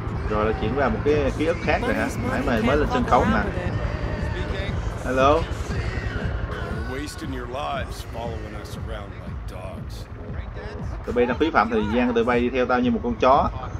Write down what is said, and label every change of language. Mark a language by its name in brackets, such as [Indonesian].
[Vietnamese] Rồi là chuyển qua một cái ký ức khác rồi hả? Nãy mày mới lên sân khấu mà. [English] Hello. Wasting your lives following us around like dogs. [Vietnamese] Tụi bay đang phí phạm thời gian, tụi bay đi theo tao như một con chó.